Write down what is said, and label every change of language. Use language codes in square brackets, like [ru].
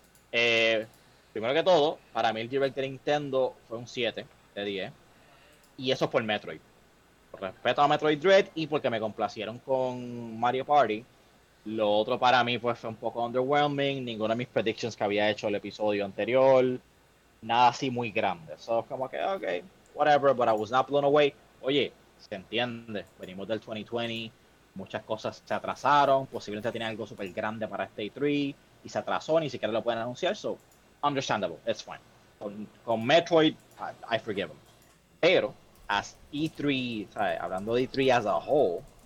[es] Primero que todo, para mí el Direct de Nintendo fue un 7 de 10. Y eso es por Metroid. Por respeto a Metroid Dread y porque me complacieron con Mario Party. Lo otro para mí pues, fue un poco underwhelming. Ninguna de mis predictions que había hecho el episodio anterior. Nada así muy grande. [en] So, [es] como que, [en] okay, whatever, but I was not blown away. [es] Oye, se entiende. Venimos del 2020. Muchas cosas se atrasaron. Posiblemente tiene algo súper grande para este E3. Y se atrasó, ni siquiera lo pueden anunciar. [en] So, understandable. It's fine. [es] Con Metroid, [en] I forgive them. [es] Pero, as E3, ¿sabes? Hablando de E3 [en] as a whole...